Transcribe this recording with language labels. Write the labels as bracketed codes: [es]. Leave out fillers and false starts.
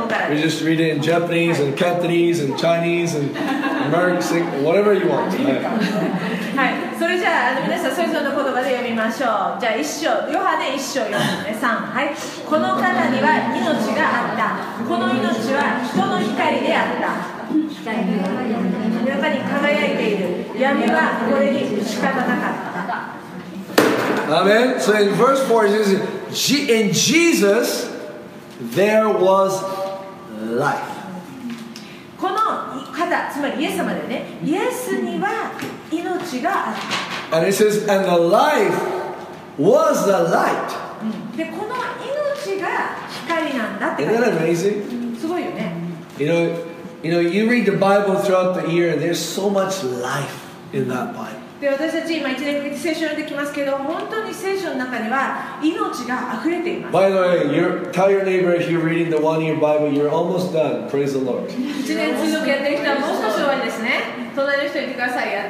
[en] We just read it in Japanese and Cantonese and Chinese and American, whatever you want. [ja] それじゃあ皆さんそれぞれの言葉で読みましょう。じゃあ一章、ヨハネ一章四節三。はい。この方には命があった。この命は人の光であった。やっぱり輝いている。闇はこれに仕方なかった。 [en] Amen. So in verse 4 it says, in Jesus there was life. [ja] この方、つまりイエス様でね、イエスには命があった。 [en] And it says, and the life was the light. [ja] で、この命が光なんだって。 [en] Isn't that amazing? [ja] すごいよね。 [en] You know, you read the Bible throughout the year, and there's so much life in that Bible. [ja] で私たち今一年かけて聖書を読んできますけど、本当に聖書の中には命が溢れています。 [en] By the way, tell your neighbor if you're reading the one-year Bible, you're almost done. Praise the Lord. [ja] 一年続けてきたらもう少し終わりですね。隣の人に言ってください。